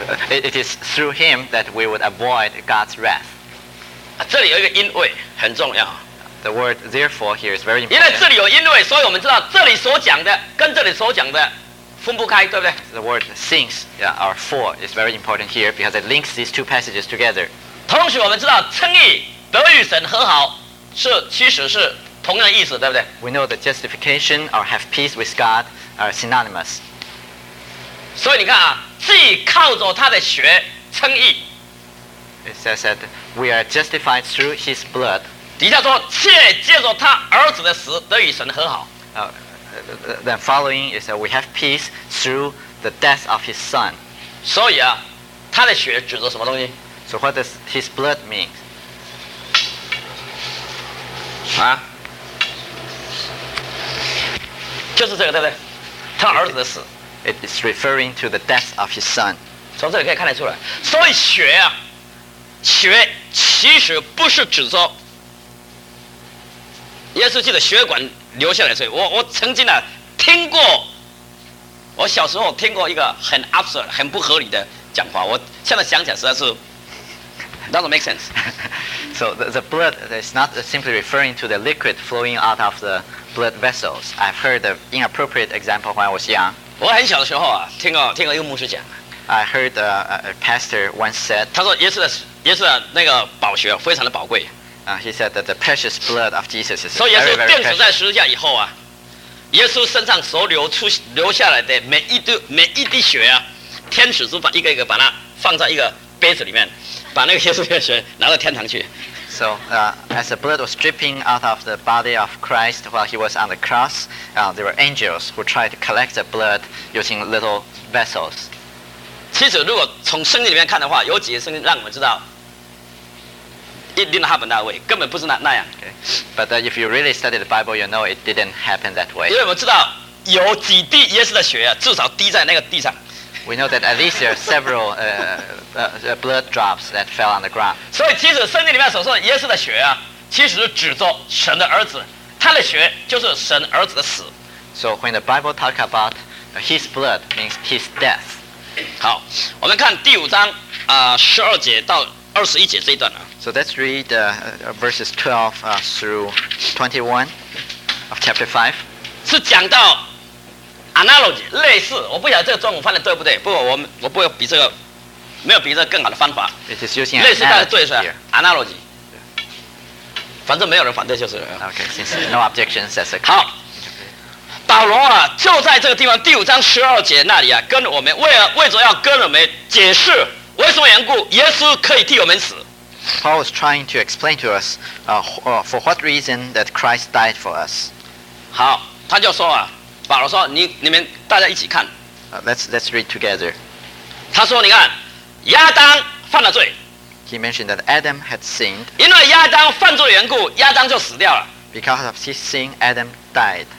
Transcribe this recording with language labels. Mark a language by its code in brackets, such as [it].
[en] It is through him that we would avoid God's wrath. [zh] 这里有一个因为很重要。 [en] The word therefore here is very important. [zh] 因为这里有因为，所以我们知道这里所讲的跟这里所讲的分不开，对不对 [en] ？The word since or for is very important here because it links these two passages together. [zh] 同时，我们知道称义得与神和好是其实是同样的意思，对不对 [en] ？We know that justification or have peace with God. Are synonymous. [zh] 所以你看啊，既靠着他的血称义。 [en] It says that we are justified through his blood. [zh] 底下说，且借着他儿子的死得与神和好。 [en] Then following is that we have peace through the death of his son. [zh] 所以啊，他的血指着什么东西 [en] ？So what does his blood mean? [zh] 啊，就是这个，对不对？他儿子的死 [en] ，It is referring to the death of his son。 [zh] 从这里可以看得出来，所以血啊，血其实不是指说耶稣基督的血管流下来。所以我曾经呢、啊、听过，我小时候听过一个很 absurd、很不合理的讲话。我现在想起来实在是 [en] doesn't make sense。 So the blood is not simply referring to the liquid flowing out of the blood vessels. I've heard an inappropriate example when I was young. [zh] 我很小的时候啊，听过一个牧师讲。 [en] I heard a pastor once said. [zh] 他说耶稣的那个宝血非常的宝贵。 [en] He said that the precious blood of Jesus is [zh] 所以耶稣钉死在十字架以后啊，耶稣身上所流下来的每一滴血啊，天使都把一个一个把它放在一个杯子里面。把那个耶稣的血拿到天堂去。 [en] So, as the blood was dripping out of the body of Christ while he was on the cross, there were angels who tried to collect the blood using little vessels. [zh] 其实，如果从圣经里面看的话，有几个圣经让我们知道， [en] It didn't happen that way. [zh] 根本不是那样。 [en] Okay. But if you really study the Bible, you know it didn't happen that way. [zh] 因为我知道有几滴耶稣的血啊，至少滴在那个地上。 [en] We know that at least there are several blood drops that fell on the ground. [zh] 所以其实圣经里面所说的耶稣的血啊，其实指着神的儿子，他的血就是神儿子的死。 [en] So when the Bible talks about his blood, means his death. [zh] 好，我们看第五章啊，十二节到二十一节这一段啊。 [en] So let's read verses 12 through 21 of chapter 5. [zh] 是讲到 analogy 类似，我不晓得这个中文翻的对不对，不过我不会比这个，没有比这个更好的方法。 [en] It is using [zh] 类似，但是对是吧 ？Analogy。反正没有人反对就是了。 [en] Okay, since no objections, that's okay. [zh] 好，保罗啊，就在这个地方第五章十二节那里啊，跟我们为着要跟我们解释为什么缘故耶稣可以替我们死。 [en] Paul is trying to explain to us, for what reason that Christ died for us. [zh] 好，他就说啊，保罗说你们大家一起看。 [en] Let's read together. [zh] 他说你看，亚当犯了罪。 [en] He mentioned that Adam had sinned. [zh] 因为亚当犯罪的缘故，亚当就死掉了。 [en] Because of his sin, Adam died.